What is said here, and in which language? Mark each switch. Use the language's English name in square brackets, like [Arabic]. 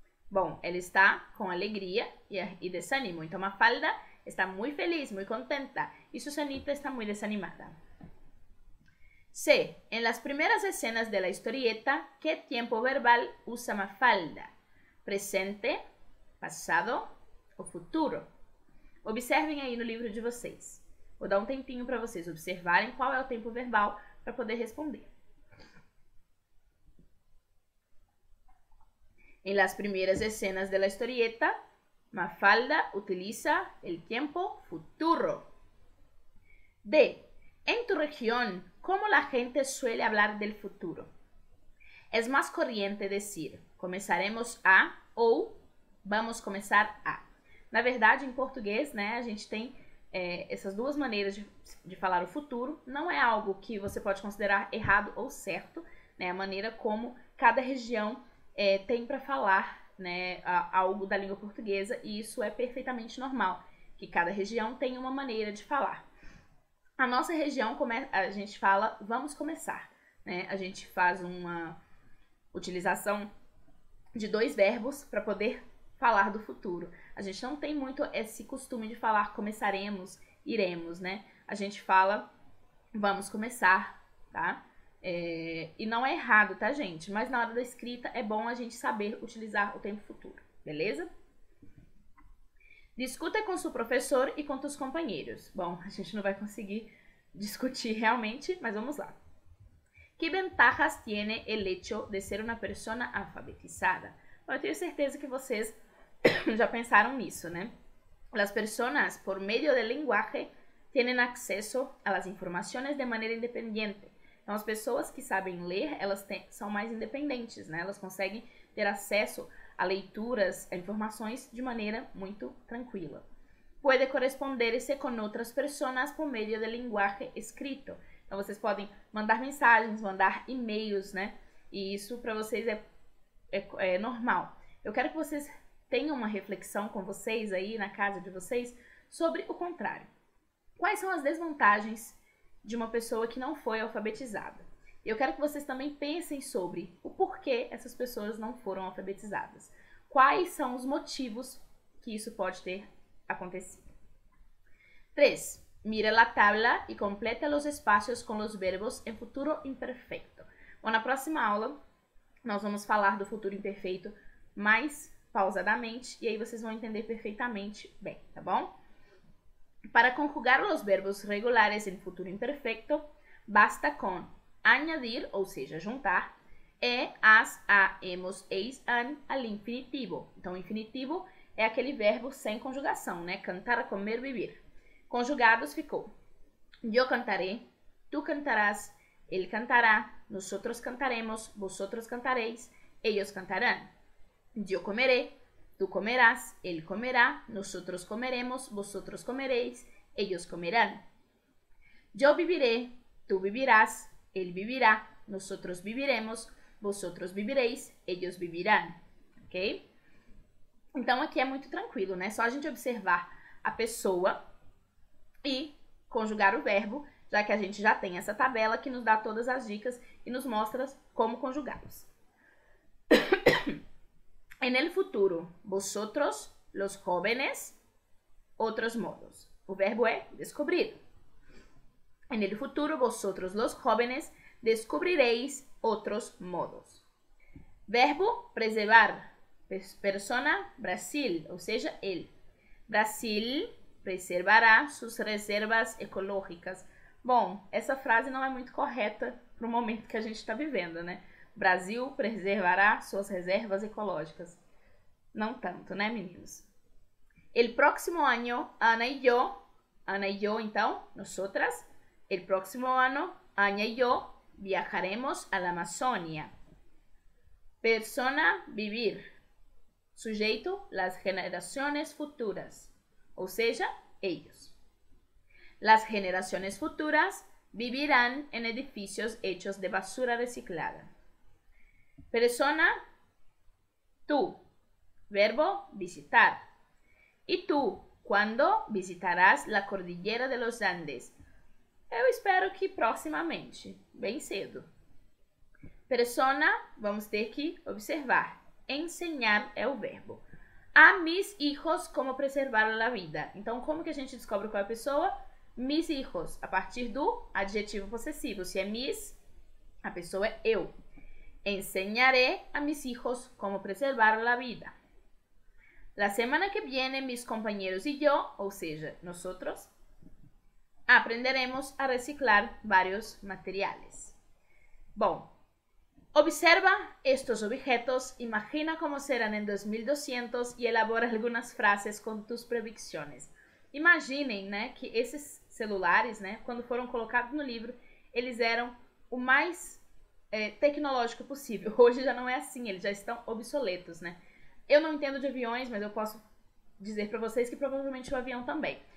[Portuguese] Bom, ela está com alegria e desânimo. Então, Mafalda está muito feliz, muito contenta. E Susanita está muito desanimada. C. [Spanish] En las primeras escenas de la historieta, ¿qué tiempo verbal usa Mafalda? ¿Presente, pasado o futuro? [Portuguese] Observem aí no livro de vocês. Vou dar um tempinho para vocês observarem qual é o tempo verbal para poder responder. [Spanish] En las primeras escenas de la historieta, Mafalda utiliza el tiempo futuro. D. En tu región, ¿cómo la gente suele hablar del futuro? Es más corriente decir, comenzaremos a o vamos comenzar a. [Portuguese] Na verdade, em português, né, a gente tem essas duas maneiras de falar o futuro. Não é algo que você pode considerar errado ou certo, né, a maneira como cada região tem para falar, né, algo da língua portuguesa, e isso é perfeitamente normal, que cada região tem uma maneira de falar. A nossa região, a gente fala, vamos começar, né? A gente faz uma utilização de dois verbos para poder falar do futuro. A gente não tem muito esse costume de falar começaremos, iremos, né? A gente fala, vamos começar, tá? E não é errado, tá, gente? Mas na hora da escrita é bom a gente saber utilizar o tempo futuro, beleza? Discuta com seu professor e com seus companheiros. Bom, a gente não vai conseguir discutir realmente, mas vamos lá. [Spanish] Que ventajas tiene el hecho de ser una persona alfabetizada? [Portuguese] Bom, eu tenho certeza que vocês já pensaram nisso, né? [Spanish] Las personas, por medio del lenguaje, tienen acceso a las informaciones de manera independiente. [Portuguese] Então, as pessoas que sabem ler, elas são mais independentes, né? Elas conseguem ter acesso a leituras, a informações de maneira muito tranquila. [Spanish] Puede corresponderse con otras personas por medio del lenguaje escrito. [Portuguese] Então, vocês podem mandar mensagens, mandar e-mails, né? E isso para vocês é normal. Eu quero que vocês tenham uma reflexão com vocês aí na casa de vocês sobre o contrário. Quais são as desvantagens de uma pessoa que não foi alfabetizada? E eu quero que vocês também pensem sobre o porquê essas pessoas não foram alfabetizadas. Quais são os motivos que isso pode ter acontecido? 3. [Spanish] Mira la tabla y completa los espacios con los verbos en futuro imperfecto. [Portuguese] Bom, na próxima aula, nós vamos falar do futuro imperfeito mais pausadamente e aí vocês vão entender perfeitamente bem, tá bom? [Spanish] Para conjugar los verbos regulares en futuro imperfecto, basta con añadir, [Portuguese] ou seja, juntar, [Spanish] e, as, a, hemos, eis, an, al infinitivo. [Portuguese] Então, infinitivo é aquele verbo sem conjugação, né? [Spanish] Cantar, comer, vivir. [Portuguese] Conjugados ficou: [Spanish] yo cantaré, tú cantarás, él cantará, nosotros cantaremos, vosotros cantaréis, ellos cantarán. Yo comeré, tú comerás, él comerá, nosotros comeremos, vosotros comeréis, ellos comerán. Yo viviré, tú vivirás, él vivirá, nosotros viviremos, vosotros vivireis, ellos vivirán. Ok? [Portuguese] Então aqui é muito tranquilo, né? Só a gente observar a pessoa e conjugar o verbo, já que a gente já tem essa tabela que nos dá todas as dicas e nos mostra como conjugá-los. [Spanish] En el futuro, vosotros, los jóvenes, otros modos. [Portuguese] O verbo é descobrir. [Spanish] En el futuro, vosotros, los jóvenes, descubriréis otros modos. [Portuguese] Verbo preservar. Persona, Brasil, ou seja, él. [Spanish] Brasil preservará sus reservas ecológicas. [Portuguese] Bom, essa frase não é muito correta para o momento que a gente está vivendo, né? Brasil preservará suas reservas ecológicas. Não tanto, né, meninos? [Spanish] El próximo año, Ana y yo, então, nosotras, el próximo ano, Ana y yo, viajaremos a la Amazonia. Persona, vivir. Sujeito, las generaciones futuras. [Portuguese] Ou seja, ellos. [Spanish] Las generaciones futuras vivirán en edificios hechos de basura reciclada. Persona, tú. Verbo, visitar. Y tú, ¿cuándo visitarás la cordillera de los Andes? [Portuguese] Eu espero que próximamente, bem cedo. Persona, vamos ter que observar. Enseñar é o verbo. [Spanish] A mis hijos, como preservar la vida. [Portuguese] Então, como que a gente descobre qual é a pessoa? [Spanish] Mis hijos, [Portuguese] a partir do adjetivo possessivo. Se é mis, a pessoa é eu. [Spanish] Enseñaré a mis hijos como preservar la vida. La semana que viene, mis compañeros y yo, [Portuguese] ou seja, [Spanish] nosotros, aprenderemos a reciclar varios materiales. Bom, observa estos objetos, imagina cómo serán en 2200 y elabora algunas frases con tus predicciones. [Portuguese] Imaginen, né, que esses celulares, né, quando foram colocados no livro, eles eram o mais tecnológico possível. Hoje já não é assim, eles já estão obsoletos, né? Eu não entendo de aviões, mas eu posso dizer para vocês que provavelmente o avião também.